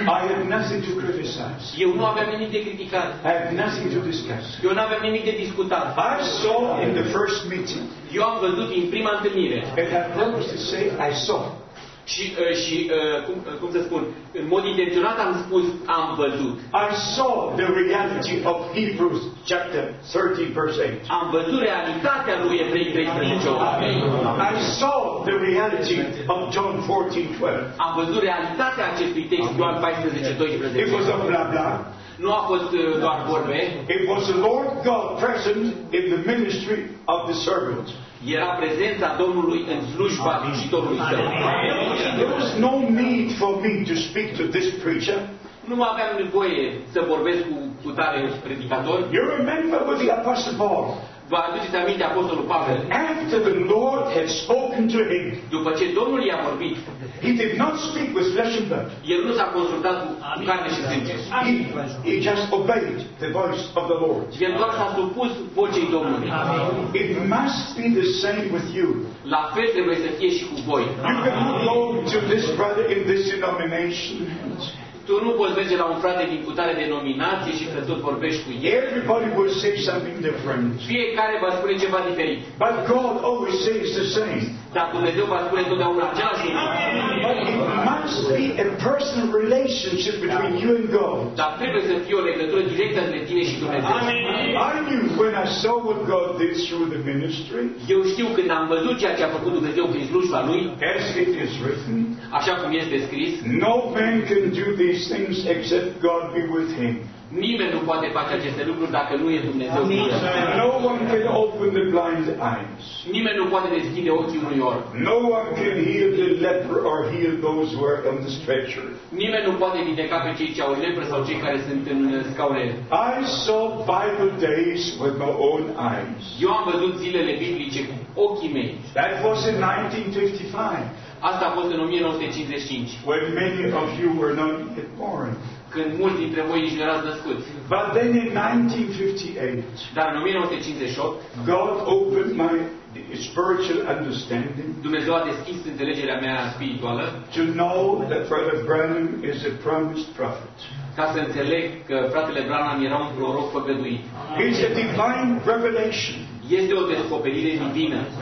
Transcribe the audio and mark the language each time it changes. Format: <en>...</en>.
<en>I had nothing to criticize.</en> <ro>Eu nu aveam nimic de criticat.</ro> <en>I had nothing to discuss.</en> <ro>Eu nu aveam nimic de discutat.</ro> <en>I saw in the first meeting.</en> <ro>Eu am văzut în prima întâlnire.</ro> <en>And I promised to say I saw.</en> <ro>Și cum să spun, în mod intenționat am spus am văzut.</ro> <en>I saw the reality of Hebrews chapter 30 verse 8.</en> <ro>Am văzut realitatea lui Evrei 13.</ro> <en>I saw the reality of John 14:12.</en> <ro>Am văzut realitatea acestui text Ioan 14:12.</ro> <en>It was a blah blah.</en> <ro>Nu a fost doar vorbe.</ro> <en>It was the Lord God present in the ministry of the servant.</en> <ro>Era prezența Domnului în slujba slujitorului său.</ro> <en>There was no need for me to speak to this preacher.</en> <ro>Nu aveam nevoie să vorbesc cu tare predicator.</ro> <en>You remember with the Apostle Paul.</en> <ro>Vă aduceți aminte Apostolul Pavel.</ro> <en>After the Lord had spoken to him.</en> <ro>După ce Domnul i-a vorbit.</ro> <en>He did not speak with flesh and blood.</en> <ro>El nu s-a consultat cu carne și sânge.</ro> <en>He just obeyed the voice of the Lord.</en> <ro>El doar s-a supus vocii Domnului.</ro> <en>It must be the same with you.</en> <ro>La fel trebuie să fie și cu voi.</ro> <en>You cannot go to this brother in this denomination.</en> <ro>Tu nu poți merge la un frate din cutare denominație și că tot vorbești cu el.</ro> <en>Everybody will say something different.</en> <ro>Fiecare va spune ceva diferit.</ro> <en>But God always says the same.</en> <ro>Dar Dumnezeu va spune totdeauna același lucru.</ro> <en>It must be a personal relationship between you and God.</en> <ro>Dar trebuie să fie o legătură directă între tine și Dumnezeu.</ro> <en>When I saw what God did through the ministry.</en> <ro>Eu știu când am văzut ceea ce a făcut Dumnezeu prin slujba lui.</ro> <en>As it is written.</en> <ro>Așa cum este scris.</ro> <en>No man can do these things except God be with him.</en> <ro>Nimeni nu poate face aceste lucruri dacă nu e Dumnezeu.</ro> <en>No one can open the blind eyes.</en> <ro>Nimeni nu poate deschide ochii unui orb.</ro> <en>No one can heal the leper or heal those who are on the stretcher.</en> <ro>Nimeni nu poate vindeca pe cei ce au lepră sau cei care sunt în scaune.</ro> <en>I saw Bible days with my own eyes.</en> <ro>Eu am văzut zilele biblice cu ochii mei.</ro> <en>That was in 1955.</en> <ro>Asta a fost în 1955.</ro> <en>When many of you were not yet born.</en> <ro>Când mulți dintre voi nici nu erați născuți.</ro> <en>But then in 1958.</en> <ro>Dar în 1958.</ro> <en>God opened my spiritual understanding.</en> <ro>Dumnezeu a deschis înțelegerea mea spirituală.</ro> <en>To know that Brother Branham is a promised prophet.</en> <ro>Ca să înțeleg că fratele Branham era un proroc făgăduit.</ro> <en>It's a divine revelation.</en> <ro>Este o descoperire divină.</ro>